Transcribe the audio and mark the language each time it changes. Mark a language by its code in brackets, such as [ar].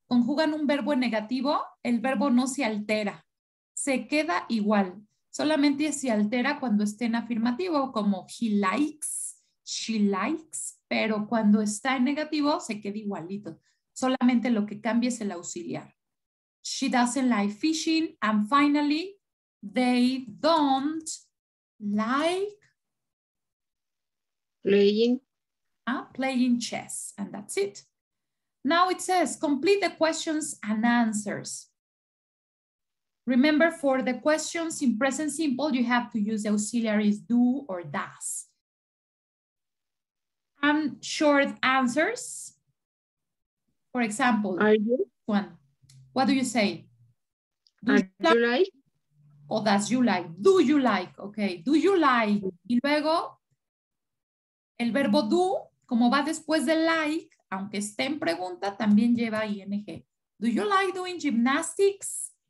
[es] Conjugan un verbo en negativo, el verbo no se altera. Se queda igual. Solamente se altera cuando esté en afirmativo, como he likes, she likes. Pero cuando está en negativo, se queda igualito. Solamente lo que cambia es el auxiliar. [en] She doesn't like fishing. And finally, they don't like playing chess, and that's it. Now it says complete the questions and answers. Remember, for the questions in present simple, you have to use the auxiliaries do or does. And short answers, for example, are you? One. What do you say? Do you like? Or does you like? Do you like? Okay. Do you like? [es] Y luego, el verbo [en] do, [es] como va después de like, aunque esté en pregunta, también lleva ing. [en] Do you like doing gymnastics?